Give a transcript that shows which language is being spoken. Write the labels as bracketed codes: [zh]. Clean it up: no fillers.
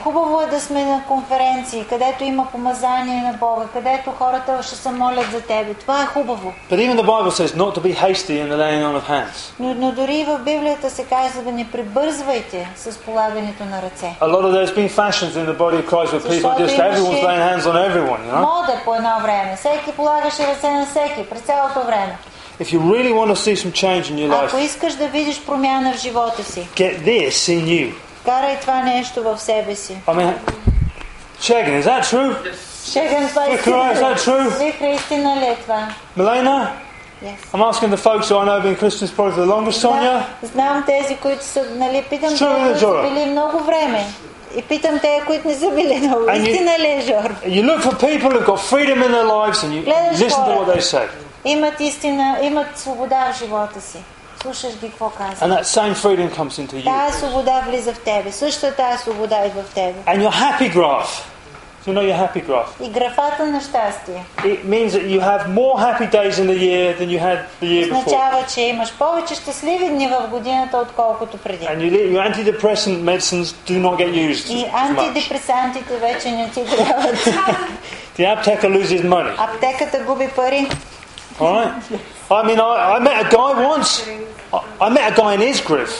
[bg] Хубаво е да сме на конференции, където има помазание на Бога, където хората ще се молят за тебе. Това е хубаво. [en] But even the Bible says not to be hasty in the laying on of hands. [bg] Но дори в Библията се казва да не прибързвайте с полагането на ръце. [en] A lot of there's been fashions in the body of Christ where people just everyone's laying hands on everyone, you know? [bg] Мода по едно време. Всеки полагаше ръце на всеки през цялото време. [en] If you really want to see some change in your life, [bg] ако искаш да видиш промяна в живота си, [en] get this in you. [bg] Карай това нещо в себе си. [en] I mean, Shagan, is that true? Shagan, is that true? [bg] Христина ли е това? [en] Milena? Yes. I'm asking the folks who I know have been Christians probably for the longest, Sonia. [bg] Знам тези, които са, нали, питам те, които са били много време. И питам те, които не са били много. Истина ли е, Жор? [en] You look for people who've got freedom in their lives and you listen to what they say. [bg] имат истина, имат свобода в живота си. Слушаш ги какво казват. [en] And that same freedom comes into you. [bg] Тая свобода влиза в тебе. Същата тая свобода и в тебе. [en] And your happy graph. You know your happy graph. [bg] И графата на щастие. [en] It means that you have more happy days in the year than you had the year before. [bg] Означава, че имаш повече щастливи дни в годината отколкото преди. [en] And your antidepressant medicines do not get used. [bg] И антидепресантите вече не ти трябват. [en] The aptheca loses money. [bg] Аптеката губи пари. [en] Alright. I mean, I met a guy once. I met a guy in Isgrif.